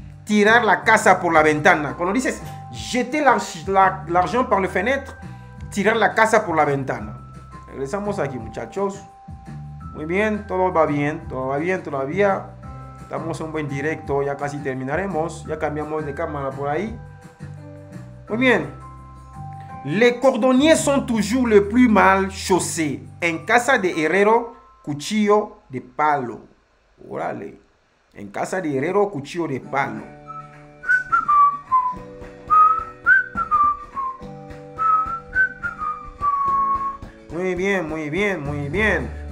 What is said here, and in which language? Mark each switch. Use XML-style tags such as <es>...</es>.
<es>Tirar la casa por la ventana. Cuando dices</es> <fr>jeter l'argent par les fenêtres,</fr> <es>tirar la casa por la ventana. Regresamos aquí, muchachos. Muy bien, todo va bien. Todo va bien todavía. Estamos en un buen directo. Ya casi terminaremos. Ya cambiamos de cámara por ahí. Muy bien.</es> <fr>Les cordonniers sont toujours les plus mal chaussés.</fr> <es>En casa de herrero, cuchillo de palo. Órale. En casa de herrero, cuchillo de palo. Muy bien, muy bien, muy bien.</es>